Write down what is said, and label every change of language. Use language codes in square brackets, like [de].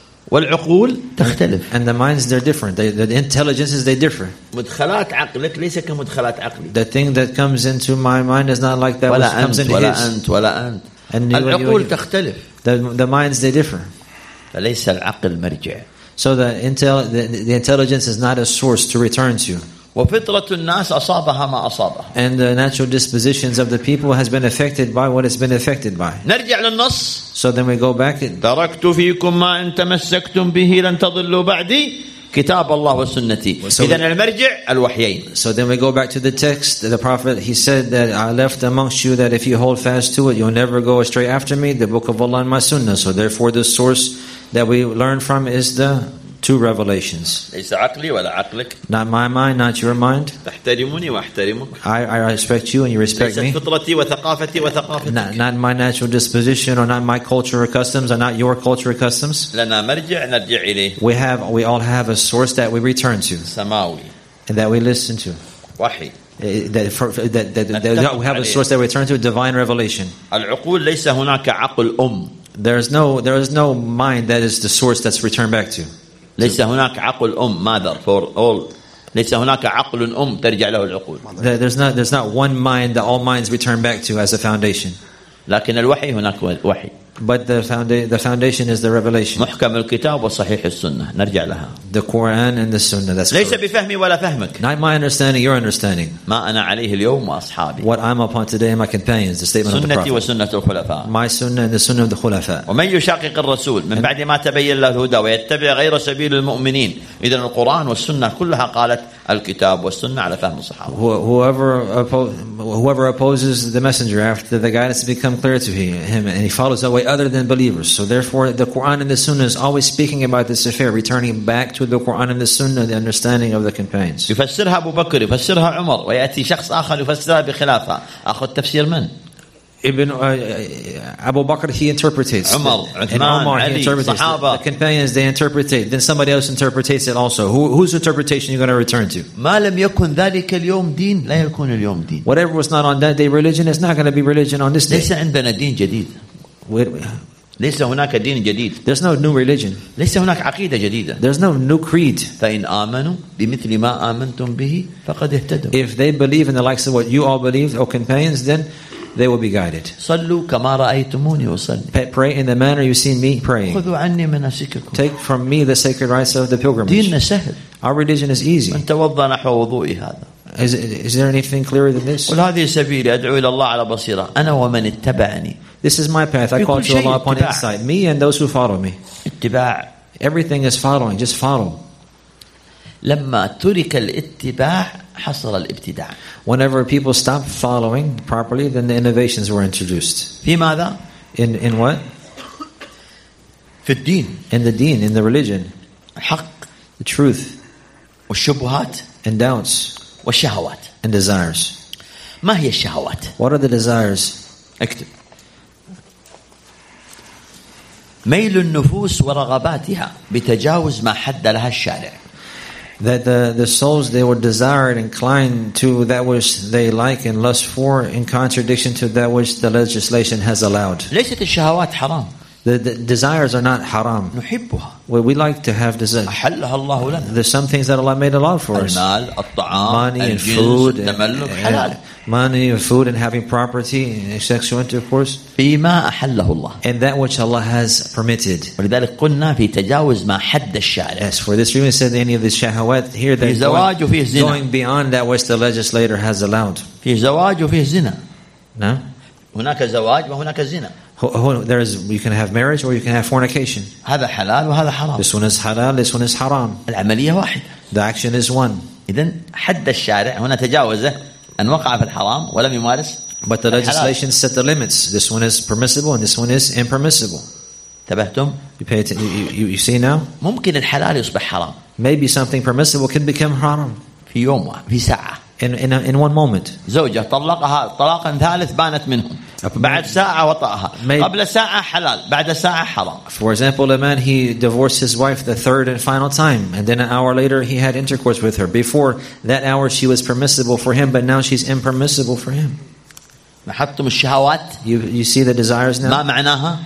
[ar] والعقول تختلف. [en] And the minds, they're different. The intelligences, they differ. [ar] مدخلات عقلك ليس كمدخلات عقلي. [en] The thing that comes into my mind is not like that which comes into [ar] ولا [en] his. [ar] ولا أنت. [en] And [ar] العقول [en] you. [ar] تختلف. [en] The minds, they differ. [ar] فليس العقل مرجع. [en] So the intelligence is not a source to return to. [ar] وفطرة الناس أصابها ما أصابها. [en] And the natural dispositions of the people has been affected by what it's been affected by. [ar] نرجع للنص. [en] So then we go back. [ar] تركت فيكم ما إن تمسكتم به لن تضلوا بعدي كتاب الله وسنتي. إذن المرجع الوحيين. [en] So then we go back to the text. The prophet, he said that I left amongst you that if you hold fast to it, you'll never go astray after me. The book of Allah and my sunnah. So therefore, the source that we learn from is the two revelations. [ar] ليس عقلي ولا عقلك. [en] Not my mind, not your mind. [ar] تحترمني واحترمك. [en] I respect you and you respect [ar] ليس [en] me. [ar] فطرتي وثقافتي وثقافتك. [en] Not my natural disposition or not my culture or customs or not your culture or customs. [ar] لنا مرجع نرجع إليه. [en] We all have a source that we return to. [ar] سماوي. [en] And that we listen to. [ar] وحي. [en] That we have [ar] عليه. [en] A source that we return to, divine revelation. [ar] العقول ليس هناك عقل أم. [en] There is no mind that is the source that's returned back to. [ar] ليس هناك عقل أم [en] mother for all. [ar] ليس هناك عقل أم ترجع له العقول. [en] There's not one mind that all minds return back to as a foundation. [ar] لكن الوحي هناك وحي. [en] But the foundation is the revelation. [ar] محكم الكتاب وصحيح السنة نرجع لها. [en] The Quran and the Sunnah. That's [ar] ليس بفهمي ولا فهمك. [en] Not my understanding, your understanding. [ar] ما أنا عليه اليوم وأصحابي. [en] What I'm upon today and my companions. The statement [ar] سنتي [en] of the Prophet. [ar] سنتي وسنة الخلفاء. [en] My Sunnah and the Sunnah of the خلفاء. [ar] ومن يشاقق الرسول من بعد ما تبين له الهدى ويتبع غير سبيل المؤمنين. إذن القرآن والسنة كلها قالت الكتاب والسنة على فهم الصحابة. [en] Whoever opposes the messenger after the guidance has become clear to him and he follows away other than believers. So therefore, the Quran and the Sunnah is always speaking about this affair, returning back to the Quran and the Sunnah, the understanding of the companions. [ar] يفسرها أبو بكر، يفسرها عمر، ويأتي شخص آخر يفسرها بخلافة. أخذ تفسير من؟ [en] Ibn Abu Bakr, he interprets. Umar, Uthman, Ali, Sahaba. The companions, they interpretate. Then somebody else interprets it also. Whose interpretation are you going to return to? [ar] ما لم يكن ذلك اليوم دين لا يكون اليوم دين. [en] Whatever was not on that day religion is not going to be religion on this day. [ar] ليس عندنا دين جديد. ليس هناك دين جديد. [en] There's no new religion. [ar] ليس هناك عقيدة جديدة. [en] There's no new creed. [ar] فإن آمنوا بمثل ما آمنتم به فقد اهتدوا. [en] If they believe in the likes of what you all believe, O companions, then they will be guided. [ar] صلوا كما رأيتموني أصلي. [en] Pray in the manner you see me praying. [ar] خذوا عني مناسككم. [en] Take from me the sacred rites of the pilgrimage. [ar] ديننا سهل. [en] Our religion is easy. [ar] من توضى نحو وضوئي هذا. [en] Is there anything clearer than this? [ar] قل هذه سبيلي أدعو إلى الله على بصيرة. أنا ومن اتبعني. [en] This is my path. I call to Allah upon insight. Me and those who follow me. [ar] اتباع. [en] Everything is following. Just follow. [ar] لما ترك الاتباع حصل الابتداع. [en] Whenever people stopped following properly, then the innovations were introduced. [ar] في ماذا؟ [en] In what? [ar] في الدين. [en] In the deen, in the religion. [ar] حق. [en] The truth. [ar] والشبهات. [en] And doubts. [ar] والشهوات. [en] And desires. [ar] ما هي الشهوات؟ [en] What are the desires? [ar] اكتب. ميل النفوس ورغباتها بتجاوز ما حد لها الشارع. [en] That the souls, they were desired, inclined to that which they like and lust for in contradiction to that which the legislation has allowed. [ar] ليست الشهوات حرام. [en] The desires are not haram. [ar] نحبها. [en] Well, we like to have desires. [ar] أحلها الله لنا. [en] There's some things that Allah made allowed for us. [ar] المال, الطعام, [en] money [ar] الجنس, [en] and food. [ar] التملك, حلال. [en] Money and food and having property and sexual intercourse. [ar] فيما أحله الله. [en] And that which Allah has permitted. [ar] ولذلك قلنا في تجاوز ما حد الشارع. [en] Yes, for this reason, said any of the shahawat here that going beyond that which the legislator has allowed. [ar] في زواج وفي زنا. [en] No. [ar] هناك زواج وهناك زنا. [en] There is, you can have marriage or you can have fornication. [ar] هذا حلال وهذا حرام. [en] This one is halal, this one is haram. [ar] العملية واحدة. [en] The action is one. [ar] إذن حد الشارع هنا تجاوزه. أن وقع في الحرام ولم يمارس. [en] But the legislation set the limits. This one is permissible and this one is impermissible. [ar] تبهتم؟ [en] You see now? [ar] ممكن الحلال يصبح حرام. [en] maybe something permissible can become haram. [ar] في يوم واحد. في ساعة. [en] In one moment. [ar] زوجة طلقها طلاقا ثالث بانت منهم. بعد ساعة وطأها. قبل ساعة حلال. بعد ساعة حرام. [en] For example, a man, he divorced his wife the third and final time, and then an hour later he had intercourse with her. Before that hour she was permissible for him, but now she's impermissible for him. [ar] لاحظتم الشهوات؟ [en] You see the desires now. [ar] ما معناها؟